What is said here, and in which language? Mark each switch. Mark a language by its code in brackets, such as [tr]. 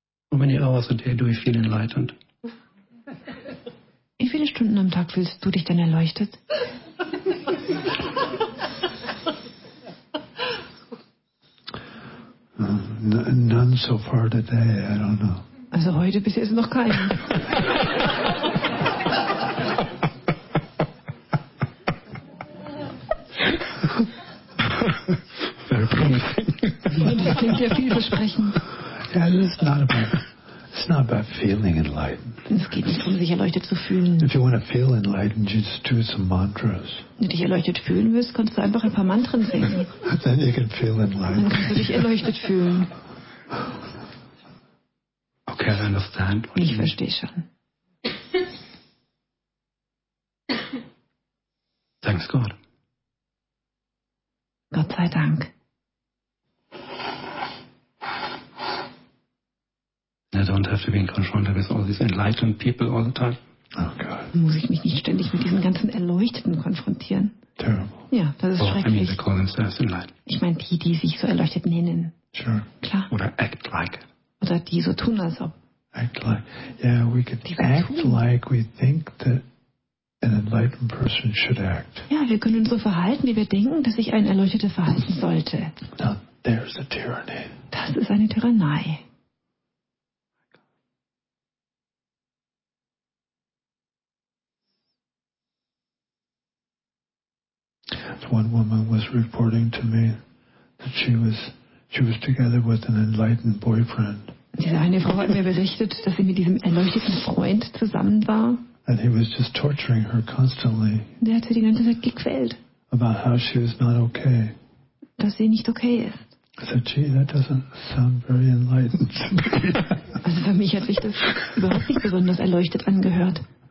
[en] How many hours a day do you feel enlightened? [de] Wie viele Stunden am Tag fühlst du dich denn erleuchtet? [en] None so far today, I don't know. [de] Also heute bis jetzt noch keinen. [en] Very promising. [de] Das klingt ja vielversprechend. [en] Yeah, this is not about. It's not about feeling enlightened. [de] Es geht nicht darum, sich erleuchtet zu fühlen. [en] If you want to feel enlightened, you just do some mantras. [de] Wenn du dich erleuchtet fühlen willst, kannst du einfach ein paar Mantren singen. [en] Then you can feel enlightened. [de] Dann kannst du dich erleuchtet fühlen. [en] Okay, I understand. [de] Ich verstehe schon. [en] Thanks God. [de] Gott sei Dank. [en] I don't have to be confronted with all these enlightened people all the time. Oh God. [de] Muss ich mich nicht ständig mit diesen ganzen Erleuchteten konfrontieren? [en] Terrible. [de] Ja, das ist schrecklich. [en] I mean, they call themselves enlightened. [de] Ich meine, die, die sich so erleuchtet nennen. [en] Sure. [de] Klar. Oder [en] act like. [de] Oder die so tun, als ob. [en] Act like. Yeah, we could [de] die act tun. [en] Like we think that an enlightened person should act. [de] Ja, wir können so verhalten, wie wir denken, dass sich ein Erleuchteter verhalten sollte. [en] Now, there's a tyranny. [de] Das ist eine Tyrannei. [en] One woman was reporting to me that she was together with an enlightened boyfriend. [de] Diese eine Frau hat mir berichtet, dass sie mit diesem erleuchteten Freund zusammen war. [en] And he was just torturing her constantly. [de] Der hat sie die ganze Zeit gequält. [en] About how she was not okay. [de] Dass sie nicht okay ist. [en] I said, gee, that doesn't sound very enlightened to me. [de] Also für mich hat sich das überhaupt nicht besonders erleuchtet angehört.